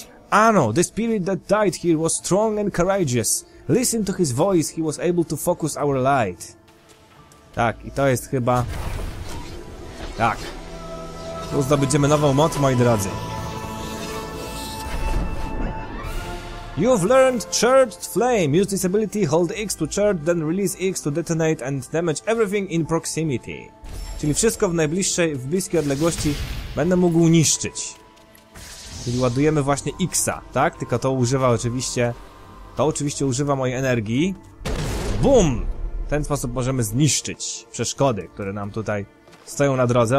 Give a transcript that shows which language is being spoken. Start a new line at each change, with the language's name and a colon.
English: Ano, the spirit that died here was strong and courageous. Listen to his voice, he was able to focus our light.
Polish: Tak, i to jest chyba... Tak. Tu zdobędziemy nową moc, moi drodzy.
English: You've learned Charged Flame. Use this ability, hold X to charge, then release X to detonate and damage everything in proximity.
Polish: Czyli wszystko w najbliższej, w bliskiej odległości będę mógł niszczyć. Czyli ładujemy właśnie X-a, tak? Tylko to używa oczywiście... To oczywiście używa mojej energii. Bum! W ten sposób możemy zniszczyć przeszkody, które nam tutaj stoją na drodze.